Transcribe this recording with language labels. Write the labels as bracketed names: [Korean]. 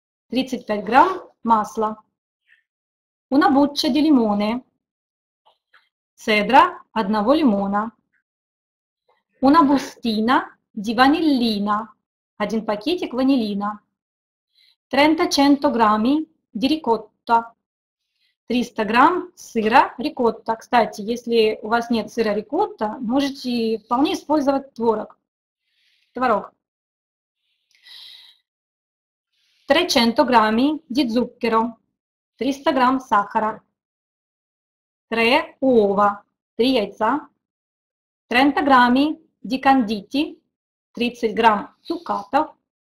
[Russian] 35 грамм масла. [Italian] Una buccia di limone. [Russian] Цедра одного лимона. [Italian] Una bustina di vanillina. [Russian] Один пакетик ванилина. 300 грамм [Italian] di ricotta. [Russian] 300 грамм сыра рикотта. Кстати, если у вас нет сыра рикотта, можете вполне использовать творог. Творог. 300 грамм [Italian] di zucchero. [Russian] 300 грамм сахара. [Italian] 3 uova. [Russian] 3 яйца. 30 грамм [Italian] di canditi. [Russian] 30 грамм цукатов.